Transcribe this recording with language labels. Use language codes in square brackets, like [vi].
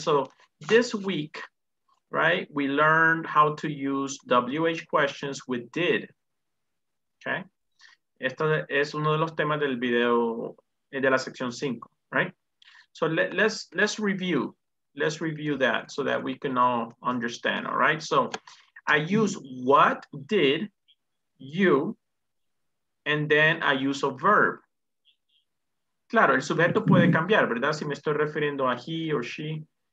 [en] So this week, right, we learned how to use WH questions with did. Okay? [es] Esto es uno de los temas del video de la sección 5, right? [en] So let's review that so that we can all understand, all right? So I use what did you, and then I use a verb. [es] Claro, el sujeto puede cambiar, ¿verdad? Si me estoy refiriendo a [en] he or she.